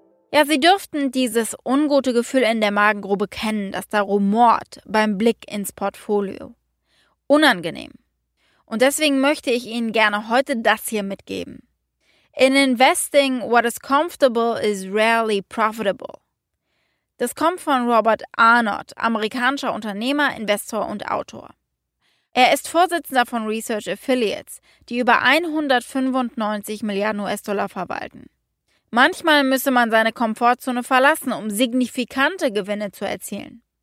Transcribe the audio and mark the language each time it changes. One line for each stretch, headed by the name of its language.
German: Ja, Sie dürften dieses ungute Gefühl in der Magengrube kennen, das da rumort beim Blick ins Portfolio. Unangenehm. Und deswegen möchte ich Ihnen gerne heute das hier mitgeben.
English: In investing, what is comfortable is rarely profitable.
German: Das kommt von Robert Arnott, amerikanischer Unternehmer, Investor und Autor. Er ist Vorsitzender von Research Affiliates, die über 195 Milliarden US-Dollar verwalten. Manchmal müsse man seine Komfortzone verlassen, um signifikante Gewinne zu erzielen.